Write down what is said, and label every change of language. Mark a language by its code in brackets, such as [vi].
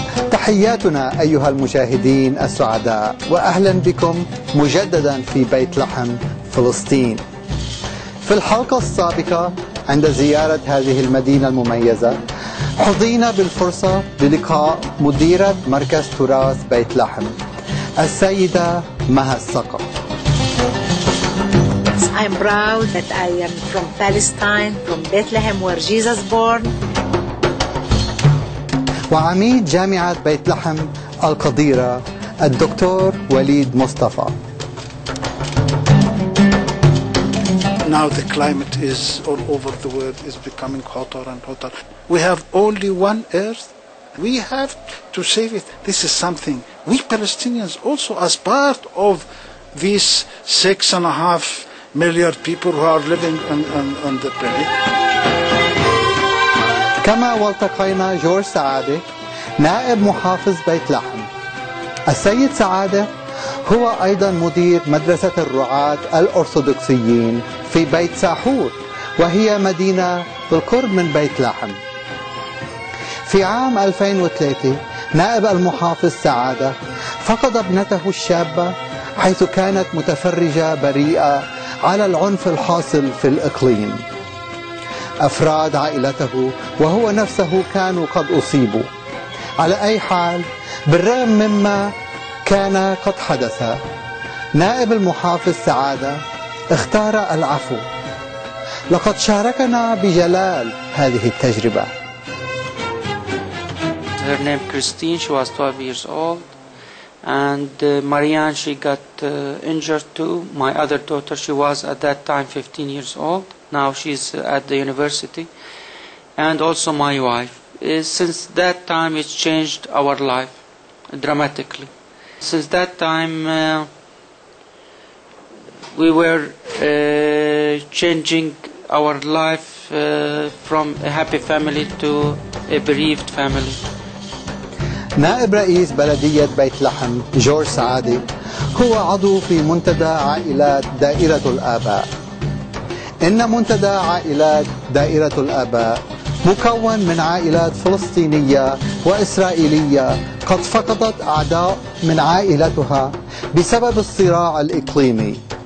[ar] تحياتنا أيها المشاهدين السعداء وأهلا بكم مجددا في بيت لحم فلسطين. في الحلقة السابقة عند زيارة هذه المدينة المميزة حظينا بالفرصة للقاء مديرة مركز تراث بيت لحم السيدة مها الثقف. [en] I'm proud that I am from Palestine, from Bethlehem where Jesus born. [ar] وعميد جامعة بيت لحم القديرة الدكتور وليد مصطفى. [en] Now the climate is all over the world is becoming hotter and hotter. We have only one earth. We have to save it. This is something we Palestinians also as part of these 6.5 million people who are living on the planet. [ar] كما والتقينا جورج سعادة نائب محافظ بيت لحم. السيد سعادة هو أيضا مدير مدرسة الرعاة الأرثوذكسيين في بيت ساحور وهي مدينة بالقرب من بيت لحم. في عام 2003 نائب المحافظ سعادة فقد ابنته الشابة حيث كانت متفرجة بريئة على العنف الحاصل في الإقليم. أفراد عائلته وهو نفسه كانوا قد أصيبوا. على أي حال بالرغم مما كان قد حدث نائب المحافظ سعادة اختار العفو. لقد شاركنا بجلال هذه التجربة. [en] Her name Christine, she was 12 years old and Marianne she got injured too. My other daughter she was at that time 15 years old. Now she's at the university and also my wife. Since that time, it's changed our life dramatically. Since that time, we were changing our life from a happy family to a bereaved family. [ar] نائب رئيس بلدية بيت لحم جورج سعادة هو عضو في منتدى عائلات دائرة الآباء. إن منتدى عائلات دائرة الآباء مكون من عائلات فلسطينية وإسرائيلية قد فقدت أعداء من عائلتها بسبب الصراع الإقليمي.